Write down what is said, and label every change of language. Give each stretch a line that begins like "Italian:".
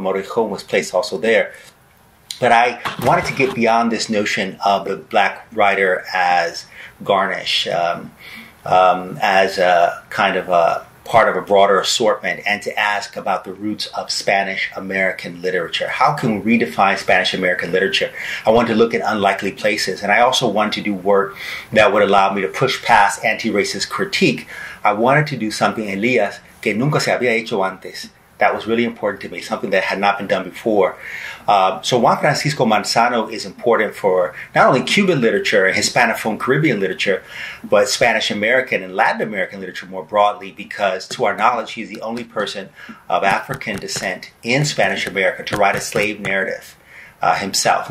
English: Morejón was placed also there. But I wanted to get beyond this notion of the Black writer as garnish, as a kind of a part of a broader assortment, and to ask about the roots of Spanish American literature. How can we redefine Spanish American literature? I want to look at unlikely places, and I also want to do work that would allow me to push past anti-racist critique. I wanted to do something,
Spanish: Elías, que nunca se había hecho antes.
English: That was really important to me, something that had not been done before. So Juan Francisco Manzano is important for not only Cuban literature and Hispanophone Caribbean literature, but Spanish American and Latin American literature more broadly, because to our knowledge, he's the only person of African descent in Spanish America to write a slave narrative himself.